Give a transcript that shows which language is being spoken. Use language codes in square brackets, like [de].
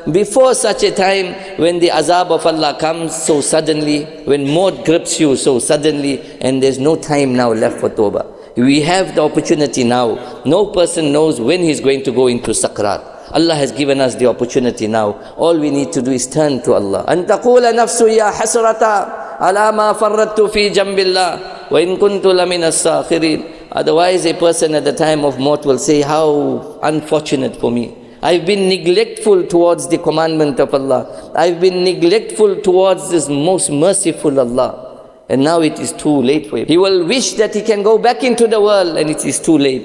[en] Before such a time when the azab of Allah comes so suddenly, when maut grips you so suddenly, and there's no time now left for tawbah. We have the opportunity now. No person knows when he's going to go into Sakrat. Allah has given us the opportunity now. All we need to do is turn to Allah. [ar] أن تقول نفسه يا حسرتا على ما فردت في جنب الله وإن كنت لمن الساخرين. [en] Otherwise, a person at the time of mort will say, how unfortunate for me. I've been neglectful towards the commandment of Allah. I've been neglectful towards this most merciful Allah. And now it is too late for him. He will wish that he can go back into the world, and it is too late.